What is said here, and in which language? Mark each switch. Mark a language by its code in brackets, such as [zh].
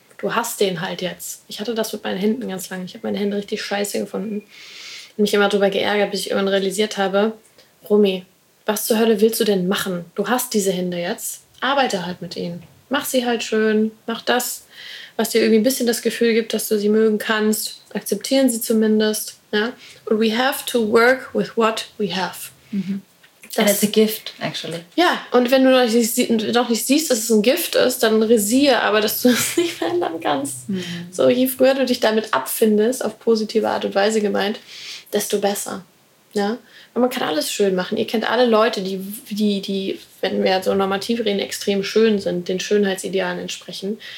[de] Du hast den halt jetzt. Ich hatte das mit meinen Händen ganz lange. Ich habe meine Hände richtig scheiße gefunden. Und mich immer darüber geärgert, bis ich irgendwann realisiert habe, Romy, was zur Hölle willst du denn machen? Du hast diese Hände jetzt. Arbeite halt mit ihnen. Mach sie halt schön. Mach das, was dir irgendwie ein bisschen das Gefühl gibt, dass du sie mögen kannst. Akzeptieren sie zumindest. Ja? [en] And we have to work with what we have. Mhm. That's a gift, actually. [de] Ja, und wenn du noch nicht siehst, dass es ein Gift ist, dann resiere aber, dass du es nicht verändern kannst. Mhm. So, je früher du dich damit abfindest, auf positive Art und Weise gemeint, desto besser. Ja? Und man kann alles schön machen. Ihr kennt alle Leute, die wenn wir so normativ reden, extrem schön sind, den Schönheitsidealen entsprechen.